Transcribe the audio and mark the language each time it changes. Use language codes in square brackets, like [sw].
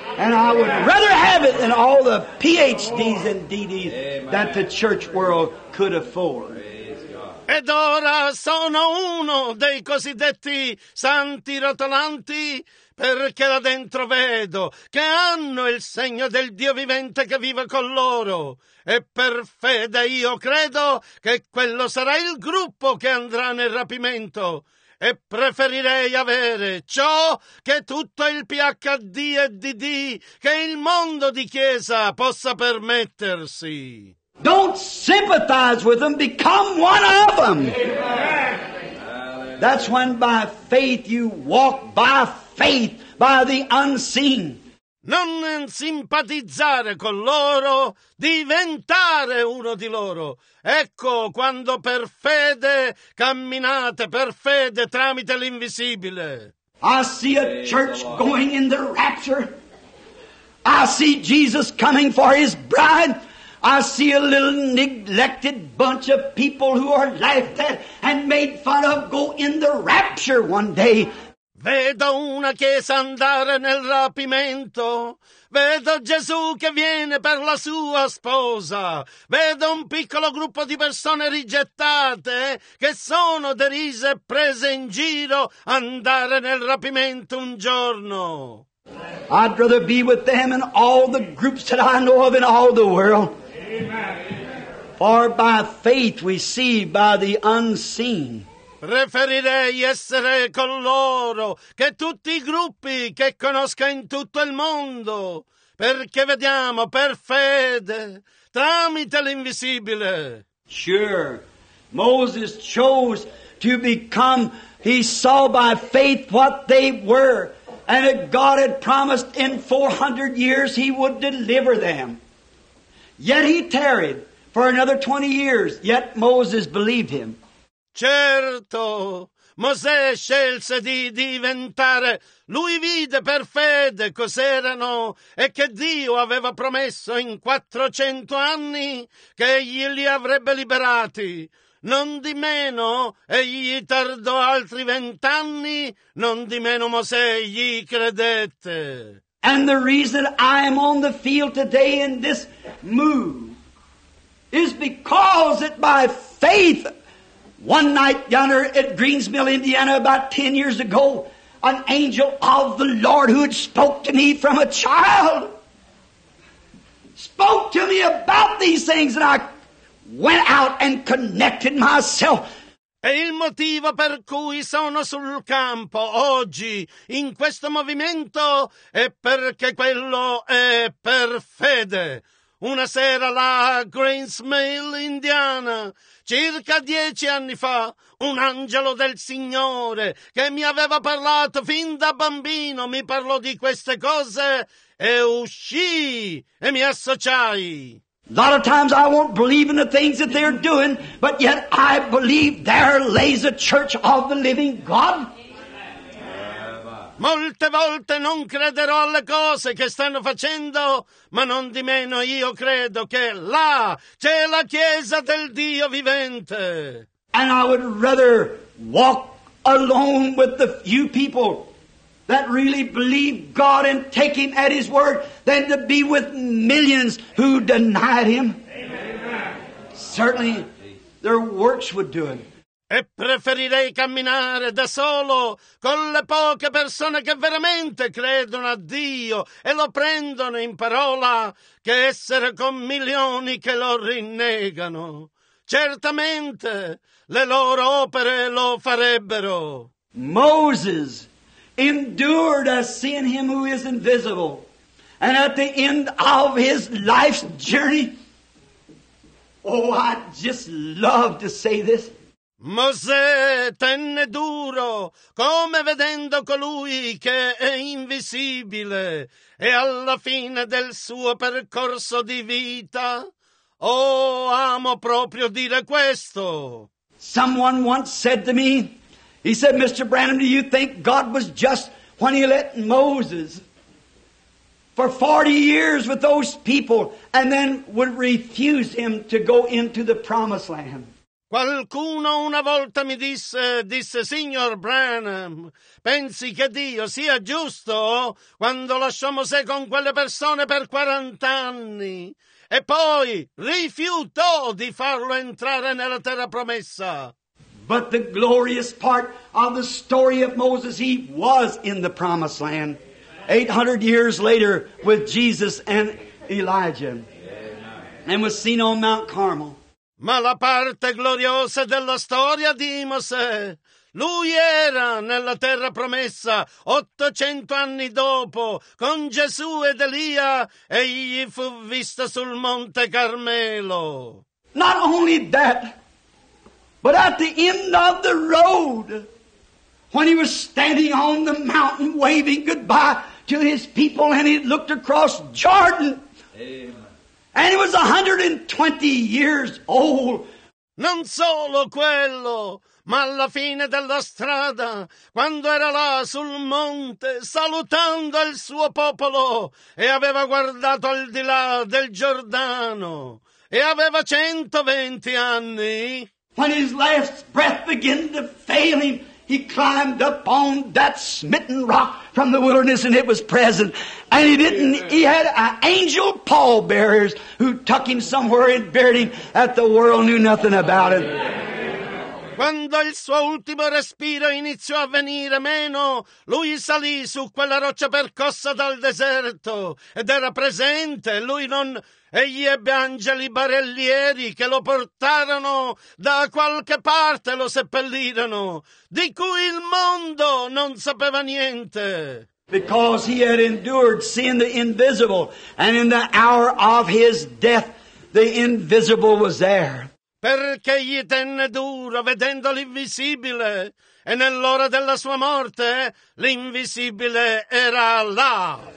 [en] And I would rather have it than all the PhDs and DDs that the church world could afford. [it] Ed ora sono uno dei cosiddetti santi rotolanti, perché là dentro vedo che hanno il segno del Dio vivente che vive con loro. E per fede io credo che quello sarà il gruppo che andrà nel rapimento. E preferirei avere ciò che tutto il PhD e DD che il mondo di chiesa possa permettersi. [en] Don't sympathize with them, become one of them. That's when by faith you walk by faith, by the unseen. [it] Non simpatizzare con loro, diventare uno di loro. Ecco quando per fede camminate, per fede tramite l'invisibile. [en] I see a church going in the rapture. I see Jesus coming for his bride. I see a little neglected bunch of people who are laughed at and made fun of go in the rapture one day. [it] Vedo una chiesa andare nel rapimento. Vedo Gesù che viene per la sua sposa. Vedo un piccolo gruppo di persone rigettate che sono derise e prese in giro andare nel rapimento un giorno. [en] I'd rather be with them and all the groups that I know of in all the world. For by faith we see by the unseen. [it] Preferirei essere con loro che tutti i gruppi che conosco in tutto il mondo, perché vediamo per fede tramite l'invisibile. [en] Sure, Moses chose to become. He saw by faith what they were, and that God had promised in 400 years He would deliver them. Yet he tarried for another 20 years, yet Moses believed him. [it] Certo, Mosè scelse di diventare. Lui vide per fede cos'erano e che Dio aveva promesso in 400 anni che egli li avrebbe liberati. Non di meno egli tardò altri 20 anni, non di meno Mosè gli credette. [en] And the reason I am on the field today in this move is because it by faith. One night yonder at Greensville, Indiana, about 10 years ago, an angel of the Lord who had spoke to me from a child spoke to me about these things, and I went out and connected myself. [it] E il motivo per cui sono sul campo oggi in questo movimento è perché quello è per fede. Una sera là a Greensville, Indiana, circa 10 anni fa, un angelo del Signore che mi aveva parlato fin da bambino mi parlò di queste cose e uscii e mi associai. [en] A lot of times I won't believe in the things that they're doing, but yet I believe there lays a church of the living God. [it] Molte volte non crederò alle cose che stanno facendo, ma non di meno io credo che là c'è la chiesa del Dio vivente. [en] And I would rather walk alone with the few people that really believe God and take Him at His word than to be with millions who denied Him. Amen. Certainly their works would do it. [it] E preferirei camminare da solo con le poche persone che veramente credono a Dio e lo prendono in parola che essere con milioni che lo rinnegano. Certamente le loro opere lo farebbero. [en] Moses endured as seeing him who is invisible, and at the end of his life's journey, oh, I just love to say this. [it] Mosè tenne duro, come vedendo colui che è invisibile, e alla fine del suo percorso di vita, oh, amo proprio dire questo. [en] Someone once said to me, he said, Mr. Branham, do you think God was just when he let Moses for 40 years with those people and then would refuse him to go into the promised land? [it] Qualcuno una volta mi disse, signor Branham, pensi che Dio sia giusto quando lasciò Mosè con quelle persone per 40 anni e poi rifiutò di farlo entrare nella terra promessa? [en] But the glorious part of the story of Moses, he was in the promised land 800 years later with Jesus and Elijah and was seen on Mount Carmel. [it] Ma la parte gloriosa della storia di Mosè, lui era nella terra promessa 800 anni dopo con Gesù ed Elia e egli fu visto sul Monte Carmelo. [en] Not only that, but at the end of the road, when he was standing on the mountain waving goodbye to his people and he looked across Jordan. And he was 120 years old. [it] Non solo quello, ma alla fine della strada, quando era là sul monte, salutando il suo popolo, e aveva guardato al di là del Giordano, e aveva 120 anni. [en] When his last breath began to fail him, he climbed up on that smitten rock from the wilderness and it was present. And he had an angel pallbearers who took him somewhere and buried him that the world knew nothing about it. [it] Quando il suo ultimo respiro iniziò a venire meno, lui salì su quella roccia percossa dal deserto ed era presente. Egli ebbe angeli barellieri che lo portarono da qualche parte, lo seppellirono, di cui il mondo non sapeva niente. [en] Because he had endured seeing the invisible, and in the hour of his death, the invisible was there. [it] perché gli tenne duro vedendo l'invisibile, e nell'ora della sua morte l'invisibile era là.